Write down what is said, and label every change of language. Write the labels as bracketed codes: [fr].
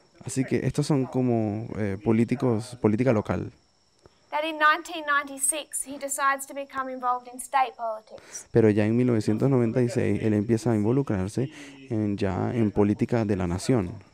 [es] Así que estos son como políticos, política local. [en] That in 1996 he decides to become involved in state politics. [es] Pero ya en 1996 él empieza a involucrarse en, ya en política de la nación.